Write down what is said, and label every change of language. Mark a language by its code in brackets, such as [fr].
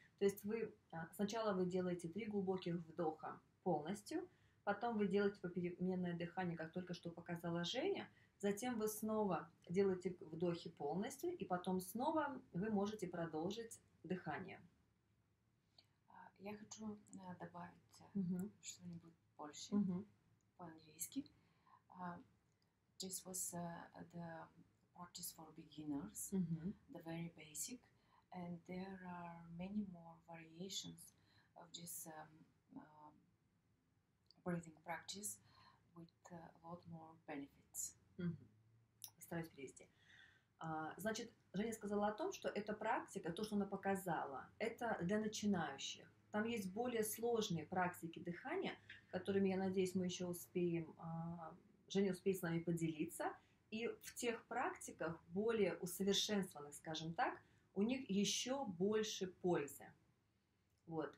[ru] То есть, вы сначала вы делаете три глубоких вдоха полностью, потом вы делаете попеременное дыхание, как только что показала Женя, затем вы снова делаете вдохи полностью, и потом снова вы можете продолжить дыхание. Я хочу добавить что-нибудь больше по-английски. [en] This was the practice for beginners, the very basic, and there are many more variations of this breathing practice with a lot more benefits. [ru] Постараюсь перевести. Значит, Женя сказала о том, что эта практика, то, что она показала, это для начинающих. Там есть более сложные практики дыхания, которыми, я надеюсь, мы еще успеем, Женя успеет с нами поделиться. И в тех практиках, более усовершенствованных, скажем так, у них еще больше пользы. Вот.